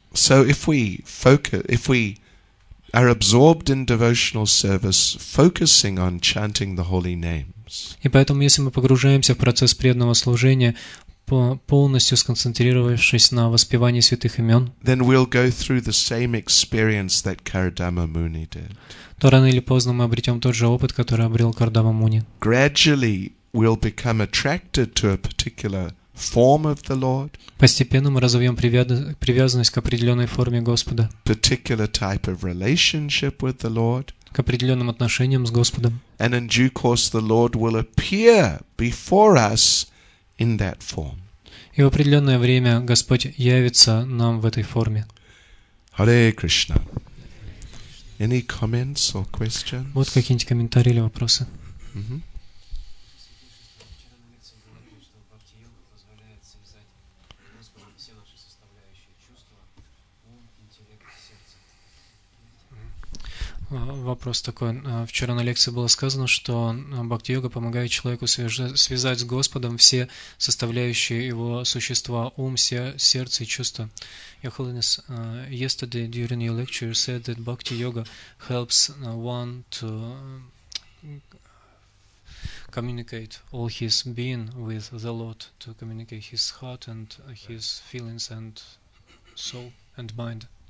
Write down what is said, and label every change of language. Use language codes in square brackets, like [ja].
[en] So if we are absorbed in devotional service, focusing on chanting the holy names. [ru] И поэтому, если мы погружаемся в процесс преданного служения, полностью сконцентрировавшись на воспевании святых имен, [en] then we'll go through the same experience that Kardama Muni did. [ru] То рано или поздно мы обретем тот же опыт, который обрел Кардама Муни. [en] Gradually we'll become attracted to a particular form of the Lord. [ru] Постепенно мы разовьем привязанность к определенной форме Господа. [en] Particular type of relationship with the Lord. [ru] К определенным отношениям с Господом. [en] And in due course the Lord will appear before us in that form. [ru] И в определенное время Господь явится нам в этой форме. [en] Hare Krishna. Any comments or questions? [ru] Вот какие-нибудь комментарии или вопросы. Вопрос такой. Вчера на лекции было сказано, что бхакти-йога помогает человеку связать с Господом все составляющие его существа, ум, сердце и чувства. [en] Your Holiness, yesterday during your lecture you said that bhakti-yoga helps one to communicate all his being with the Lord, to communicate his heart and his feelings and soul and mind.